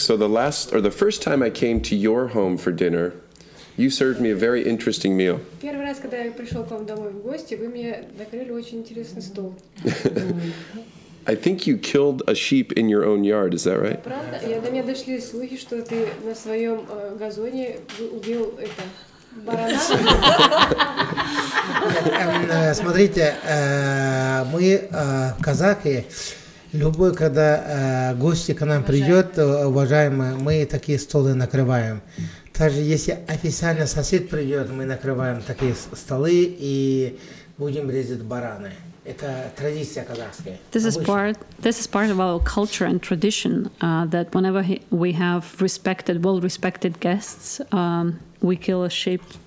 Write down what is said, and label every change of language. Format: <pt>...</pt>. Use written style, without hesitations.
<en>So the first time I came to your home for dinner, you served me a very interesting meal.</en> <ru>Первый раз, когда я пришел к вам домой в гости, вы мне накрыли очень интересный стол.</ru> <en>I think you killed a sheep in your own yard, is that right?</en> <ru>Правда? Я до меня дошли слухи, что ты на своем газоне убил это барана. Смотрите, мы казахи. Любой, когда гости к нам придет, уважаемые, мы такие столы накрываем. Даже если официально сосед придет, мы накрываем такие столы и будем резать бараны. Это традиция казахская.</ru> <en>This is part of our culture and tradition that whenever we have well-respected guests, we kill a sheep.</en>